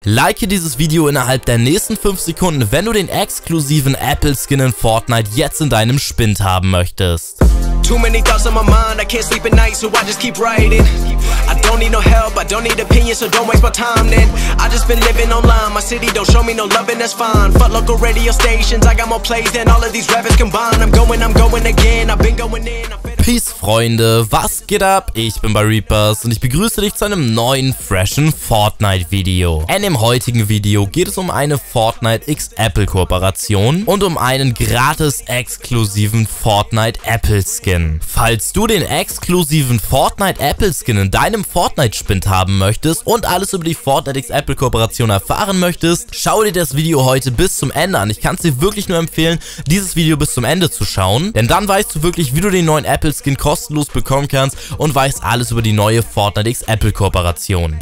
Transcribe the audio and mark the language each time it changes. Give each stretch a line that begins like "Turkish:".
German: Like dieses Video innerhalb der nächsten 5 Sekunden, wenn du den exklusiven Apple Skin in Fortnite jetzt in deinem Spind haben möchtest.
English: Too many thoughts on my mind, I can't sleep at night, so I just keep writing. I don't need no help, I don't need opinions, so don't waste my time then. I just been living online, my city don't show me no love and that's fine. Fuck local radio stations, I got more plays than all of these rappers combined. I'm going again, I've been going in.
German: Peace, Freunde, was geht ab? Ich bin Bareepers und ich begrüße dich zu einem neuen, freshen Fortnite-Video. In dem heutigen Video geht es um eine Fortnite-X-Apple-Kooperation und um einen gratis-exklusiven Fortnite-Apple-Skin. Falls du den exklusiven Fortnite-Apple-Skin in deinem Fortnite-Spind haben möchtest und alles über die Fortnite-X-Apple-Kooperation erfahren möchtest, schau dir das Video heute bis zum Ende an. Ich kann es dir wirklich nur empfehlen, dieses Video bis zum Ende zu schauen, denn dann weißt du wirklich, wie du den neuen Apple-Skin kostenlos bekommen kannst und weiß alles über die neue Fortnite X Apple Kooperation.